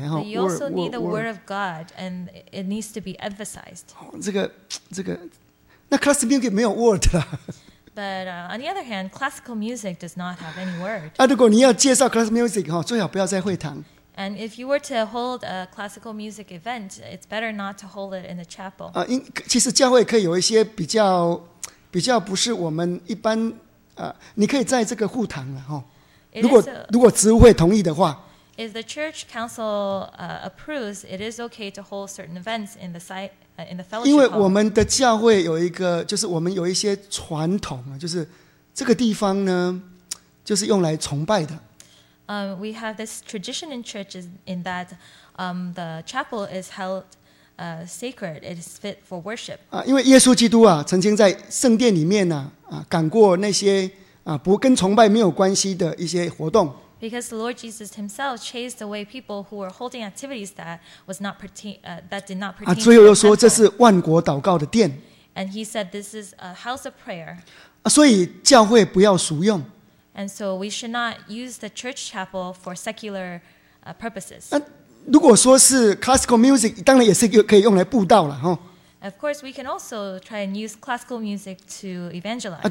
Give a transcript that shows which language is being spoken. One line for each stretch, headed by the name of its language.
English: But you also need the word of God, and it needs to be emphasized.
Chinese: 这个，那 classical music 没有 word 啦。
English: But on the other hand, classical music does not have any word.
Chinese: 如果你要介绍 classical music, 最好不要在会堂。
English: And if you were to hold a classical music event, it's better not to hold it in the chapel.
Chinese: 其实教会可以有一些比较不是我们一般你可以在这个护堂了，如果执会同意的话。
English: If the church council approves, it is okay to hold certain events in the site, in the fellowship hall.
Chinese: 因为我们的教会有一个，就是我们有一些传统，就是这个地方呢，就是用来崇拜的。
English: We have this tradition in churches in that the chapel is held sacred. It is fit for worship.
Chinese: 因为耶稣基督啊，曾经在圣殿里面赶过那些不跟崇拜没有关系的一些活动。
English: Because the Lord Jesus Himself chased away people who were holding activities that was not pertain, that did not pertain.
Chinese: 最后又说这是万国祷告的殿。
English: And He said this is a house of prayer.
Chinese: 所以教会不要俗用。
English: And so we should not use the church chapel for secular purposes.
Chinese: 如果说是 classical music, 当然也是可以用来布道了。
English: Of course, we can also try and use classical music to evangelize.